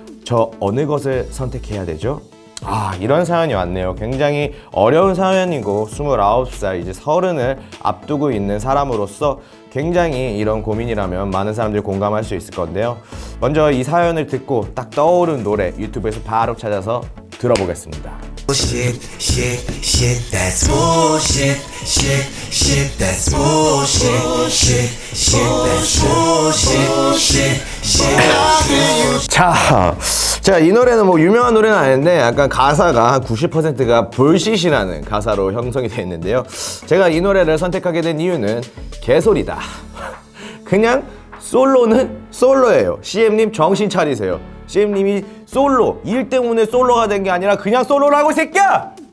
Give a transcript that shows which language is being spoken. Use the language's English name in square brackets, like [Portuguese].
[Korean] 저 어느 것을 선택해야 되죠? 아, 이런 사연이 왔네요. 굉장히 어려운 사연이고 29살 이제 서른을 앞두고 있는 사람으로서 굉장히 이런 고민이라면 많은 사람들이 공감할 수 있을 건데요. 먼저 이 사연을 듣고 딱 떠오른 노래 유튜브에서 바로 찾아서 들어보겠습니다. [English] Bullshit, shit, shit, that's bullshit, shit, shit, that's bullshit, shit, shit, that's bullshit, shit, shit, that's bullshit. [Korean] 자, 이 노래는 뭐 유명한 노래는 아닌데 약간 가사가 90%가 불시시라는 가사로 형성이 되어 있는데요. 제가 이 노래를 선택하게 된 이유는 개소리다. 그냥 솔로는 솔로예요. CM님 정신 차리세요. CM님이 솔로, 일 때문에 솔로가 된 게 아니라 그냥 솔로라고 이 새끼야!